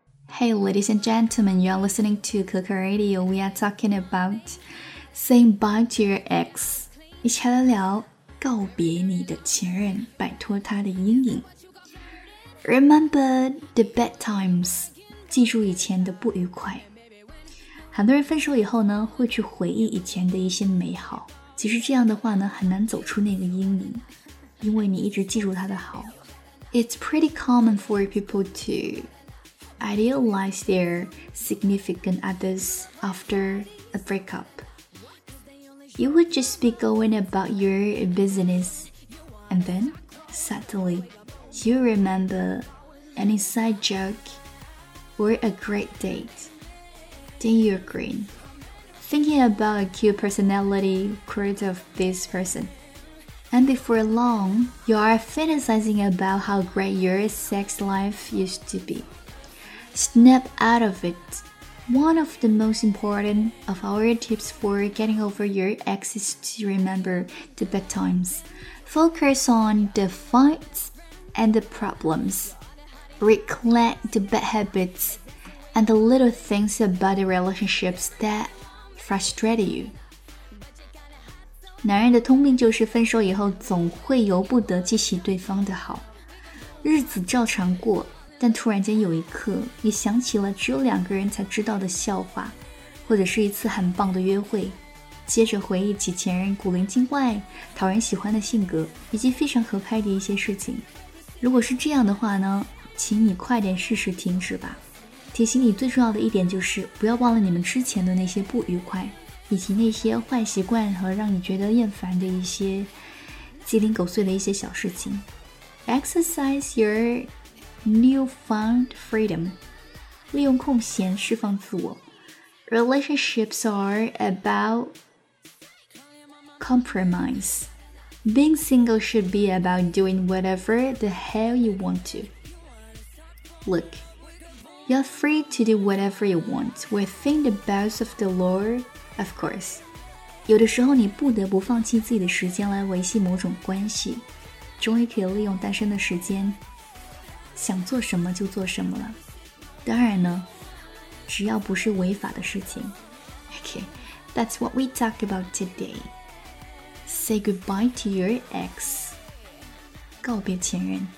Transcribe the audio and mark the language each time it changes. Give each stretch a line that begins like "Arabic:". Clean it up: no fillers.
English: Hey, ladies and gentlemen, you're listening to Coco Radio. We are talking about saying bye to your ex.
Chinese: 一起来聊告别你的前任，摆脱他的阴影。
English: Remember the bad times.
Chinese: 记住以前的不愉快。很多人分手以后呢，会去回忆以前的一些美好。其实这样的话呢，很难走出那个阴影，因为你一直记住他的好。
English: It's pretty common for people to idealize their significant others after a breakup. You would just be going about your business, and then suddenly you remember an inside joke or a great date. Then you're green, thinking about a cute personality quirk of this person. And before long, you are fantasizing about how great your sex life used to be. Snap out of it. One of the most important of our tips for getting over your ex is to remember the bad times. Focus on the fights and the problems. Recollect the bad habits and the little things about the relationships that frustrate you.
Chinese: 男人的通病就是分手以后总会由不得记起对方的好，日子照常过，但突然间有一刻你想起了只有两个人才知道的笑话，或者是一次很棒的约会，接着回忆起前任古灵精怪讨人喜欢的性格以及非常合拍的一些事情。如果是这样的话呢，请你快点试试停止吧。提醒你最重要的一点就是不要忘了你们之前的那些不愉快，以及那些坏习惯和让你觉得厌烦的一些鸡零狗碎的一些小事情。
English: Exercise your newfound freedom.
Chinese: 利用空闲释放自我。
English: Relationships are about compromise. Being single should be about doing whatever the hell you want to. Look, you're free to do whatever you want within the bounds of the law. Of course,
Chinese: 有的时候你不得不放弃自己的时间来维系某种关系，终于可以利用单身的时间，想做什么就做什么了。当然呢，只要不是违法的事情。
English: Okay, that's what we talk about today. Say goodbye to your ex.
Chinese: 告别前任。